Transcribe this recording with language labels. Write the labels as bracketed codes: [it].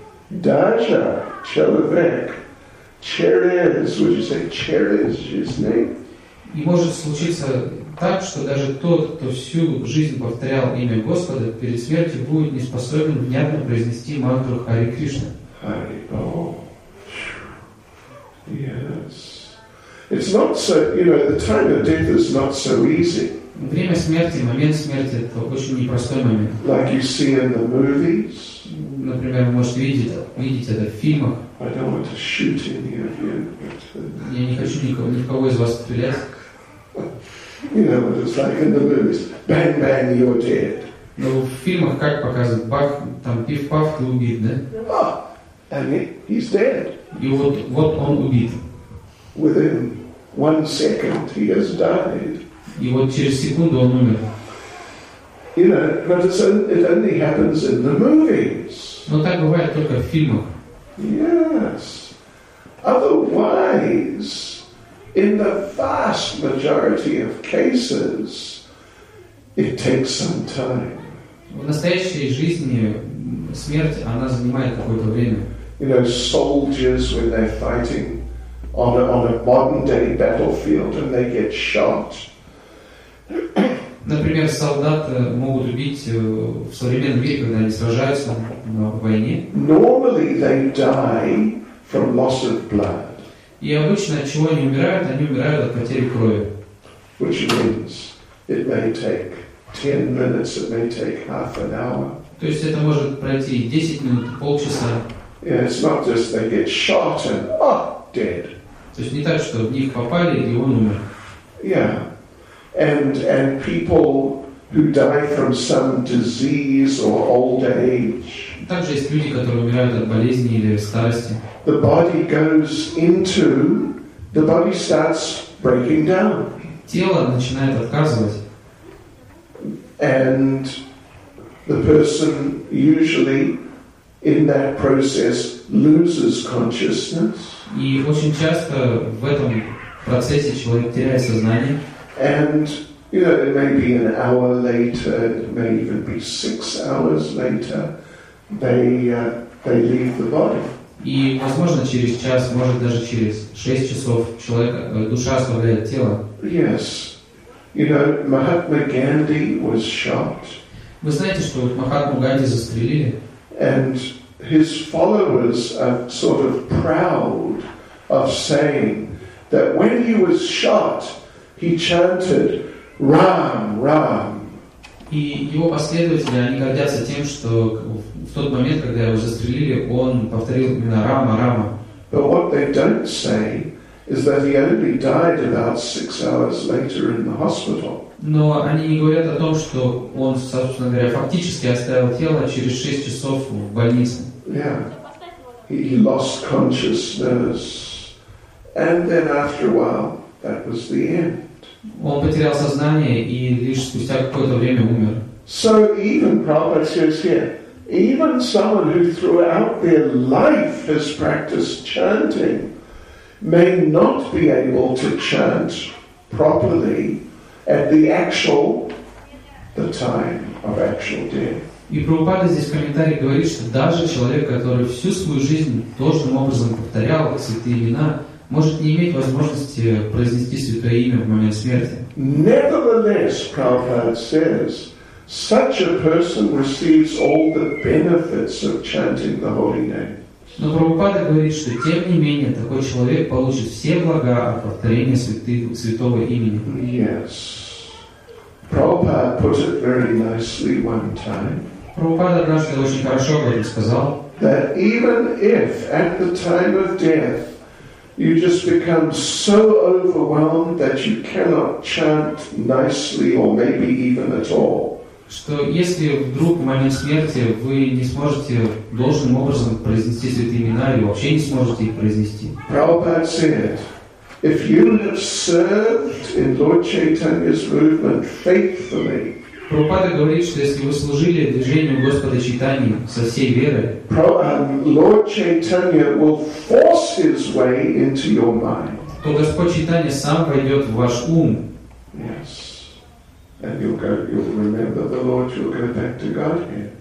[ru] Daja, Chalavek, Cheres, would you say Cheres, his name? И может случиться так, что даже тот, кто всю жизнь повторял имя Господа, перед смертью будет не способен внятно произнести мантру Хари Кришна. [en] Хари Бол. Yes. It's not so, you know, the time of death is not so easy. [ru] Время смерти, момент смерти, это очень непростой момент. [en] Like you see in the movies. [ru] Например, вы можете видеть это в фильмах. [en] I don't want to shoot any of you, but... [ru] Я не хочу никого из вас стрелять. [en] You know what it's like in the movies. Bang, bang, you're dead. [ru] Ну, в фильмах как показывают? Бах, там пиф-паф, ты убит, да? [en] Oh, and he's dead. [ru] И вот он убит. [en] Within one second, he has died. [ru] И вот через секунду он умер. [en] You know, but it only happens in the movies. [ru] Но так бывает только в фильмах. [en] Yes. Otherwise, in the vast majority of cases, it takes some time. [ru] В настоящей жизни смерть, она занимает какое-то время. [en] You know, soldiers, when they're fighting on a modern-day battlefield and they get shot. [ru] Например, солдаты могут убить в современном мире, когда они сражаются на войне. [en] Normally they die from loss of blood. [ru] И обычно от чего они умирают? Они умирают от потери крови. [en] Which means it may take 10 minutes, it may take half an hour. [ru] То есть это может пройти 10 минут, полчаса. [en] Yeah, it's not just they get shot and dead. [ru] То есть не так, что в них попали, и он умер. [en] Yeah. And people who die from some disease or old age. [ru] Также есть люди, которые умирают от болезни или старости. [en] The body goes into, the body starts breaking down. [ru] Тело начинает отказывать. [en] And the person usually in that process loses consciousness. [ru] И очень часто в этом процессе человек теряет сознание. [en] And you know, it may be an hour later, it may even be 6 hours later, they leave the body. [ru] И возможно через час, может даже через 6 часов человек, душа оставляет тело. [en] Yes. You know, Mahatma Gandhi was shot. [ru] Вы знаете, что Махатму Ганди застрелили? [en] And his followers are sort of proud of saying that when he was shot, he chanted Ram, Ram. [ru] И его последователи, они гордятся тем, что в тот момент, когда его застрелили, он повторил именно Рама, Рама. [en] But what they don't say is that he only died about 6 hours later in the hospital. [ru] Но они не говорят о том, что он, собственно говоря, фактически оставил тело через 6 часов в больнице. [en] Yeah. He lost consciousness. And then after a while, that was the end. [ru] Он потерял сознание и лишь спустя какое-то время умер. [en] So even Prabhupada says here, even someone who throughout their life has practiced chanting may not be able to chant properly at the time of actual death. [ru] И Прабхупада здесь в комментариях говорит, что даже человек, который всю свою жизнь должным образом повторял святые имена, может не иметь возможности произнести святое имя в момент смерти. [en] Nevertheless, Prabhupada says, such a person receives all the benefits of chanting the holy name. [ru] Но Прабхупада говорит, что тем не менее такой человек получит все блага от повторения святого имени. [en] Yes. Prabhupada put it very nicely one time. [ru] Прабхупада однажды очень хорошо об этом сказал. [en] That even if at the time of death you just become so overwhelmed that you cannot chant nicely or maybe even at all. [ru] Что если вдруг в момент смерти вы не сможете должным образом произнести святые имена или вообще не сможете их произнести. [en] Prabhupada said, if you have served in Lord Chaitanya's movement faithfully, [ru] Prabhupada говорит, что если вы служили движению Господа Чайтаньи со всей верой, [en] Lord Chaitanya will force his way into your mind. [ru] То Господь Чайтанья сам войдет в ваш ум. [en] Yes. And you'll remember the Lord, you'll go back to Godhead.